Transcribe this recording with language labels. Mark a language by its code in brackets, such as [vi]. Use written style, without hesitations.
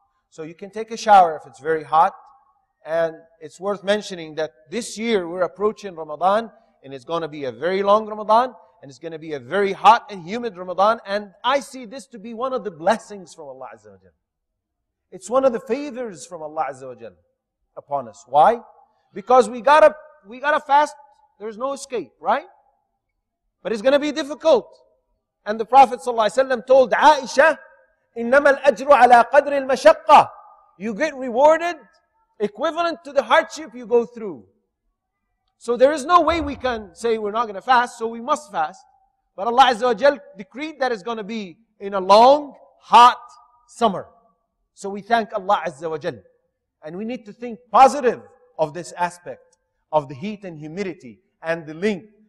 [en] So you can take a shower if it's very hot. And it's worth mentioning that this year we're approaching Ramadan, and it's going to be a very long Ramadan, and it's going to be a very hot and humid Ramadan. And I see this to be one of the blessings from Allah Azza wa Jal. It's one of the favors from Allah Azza wa Jal upon us. Why? Because we gotta fast. There's no escape, right? But it's going to be difficult. And the Prophet ﷺ told Aisha, [ar] إِنَّمَا الْأَجْرُ عَلَىٰ قَدْرِ الْمَشَقَّةِ. [en] You get rewarded equivalent to the hardship you go through. So there is no way we can say we're not going to fast, so we must fast. But Allah Azza wa Jal decreed that it's going to be in a long, hot summer. So we thank Allah Azza wa Jal. And we need to think positive of this aspect of the heat and humidity and the length.